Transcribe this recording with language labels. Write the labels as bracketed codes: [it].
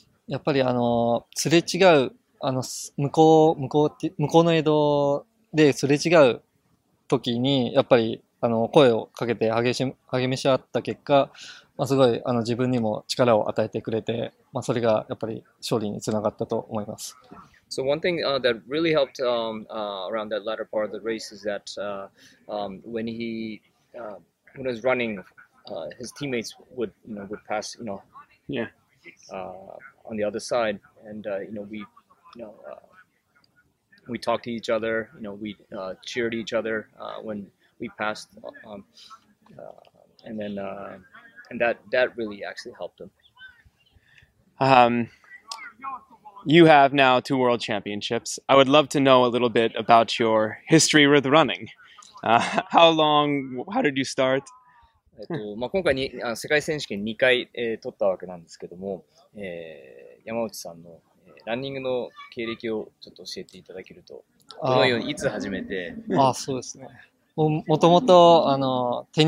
[ja] やっぱりすれ違う、向こうの江戸ですれ違う時に、やっぱり声をかけて励めし合った結果、まあ、すごい自分にも力を与えてくれて、まあ、それがやっぱり勝利につながったと思います。 [en] So one thing that really helped around that latter part of the race is that when he when he was running, his teammates would would pass on the other side, and we we talked to each other, we cheered each other when we passed, and then and that really actually helped him. You have now two world championships. I would love to know a little bit about your history with running. How did you start? [ja] まあ、今回に、世界選手権2回、取ったわけなんですけども、山内さんの、ランニングの経歴をちょっと教えていただけると、どのように、いつ始めて。そうですね。もともと、